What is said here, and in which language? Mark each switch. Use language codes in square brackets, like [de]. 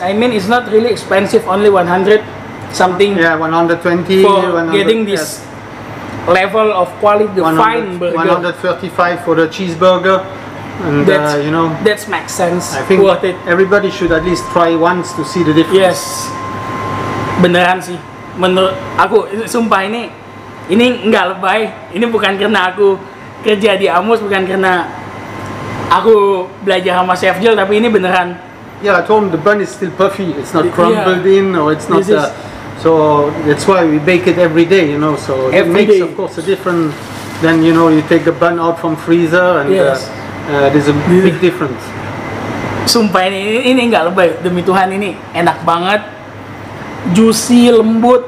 [en] I mean, it's not really expensive, only 100 something. Yeah, 120 for 100, getting this, yes, level of quality, the fine burger. 135 for the cheeseburger, and that's, you know, that's makes sense. I think worth it. Everybody should at least try once to see the difference. [id] Yes, beneran sih. Menurut aku, sumpah ini nggak lebay. Ini bukan karena aku kerja di Amuz, bukan karena aku belajar sama Chef Jill, tapi ini beneran. [en] Yeah, at home the bun is still puffy. It's not crumbled, yeah, in, or it's not. So that's why we bake it every day, you know. So every it makes day, of course, a difference. Then, you know, you take the bun out from freezer, and yes, there's a big, yeah, difference. [id] Sumpah ini nggak lebay, demi Tuhan, ini enak banget, juicy, lembut.